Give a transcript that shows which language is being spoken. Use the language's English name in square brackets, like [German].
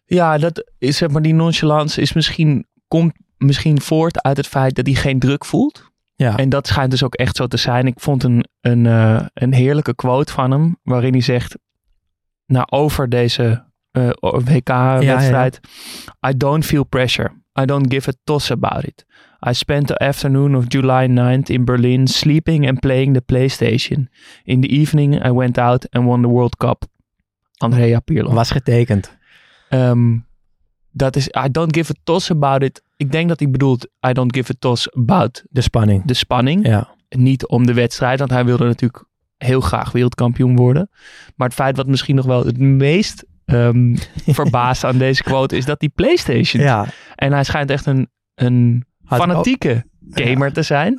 [Dutch] Ja, dat is, zeg maar, die nonchalance is misschien, komt misschien voort uit het feit dat hij geen druk voelt. Ja. En dat schijnt dus ook echt zo te zijn. Ik vond een heerlijke quote van hem, waarin hij zegt, over deze WK-wedstrijd. [English] Ja, ja. I don't feel pressure. I don't give a toss about it. I spent the afternoon of July 9th in Berlin sleeping and playing the PlayStation. In the evening I went out and won the World Cup. Andrea Pirlo. Was getekend. [Dutch] Dat is, [English] I don't give a toss about it. [Dutch] Ik denk dat hij bedoelt, [English] I don't give a toss about [Dutch] de spanning. De spanning. Ja. Niet om de wedstrijd, want hij wilde natuurlijk heel graag wereldkampioen worden. Maar het feit wat misschien nog wel het meest verbaasd aan deze quote is dat die PlayStation. Ja. En hij schijnt echt een fanatieke gamer te zijn.